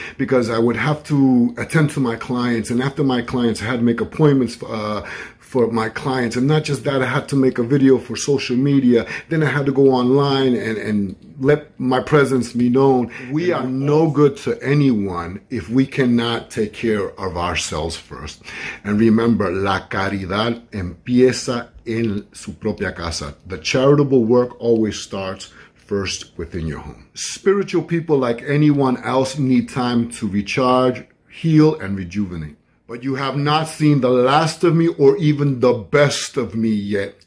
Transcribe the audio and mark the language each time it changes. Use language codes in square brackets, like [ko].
[en] Because I would have to attend to my clients. And after my clients, I had to make appointments for my clients. And not just that, I had to make a video for social media. Then I had to go online and let my presence be known. We are no good to anyone if we cannot take care of ourselves first. And remember, [es] la caridad empieza en su propia casa. [en] The charitable work always starts first within your home. Spiritual people, like anyone else, need time to recharge, heal, and rejuvenate. But you have not seen the last of me or even the best of me yet.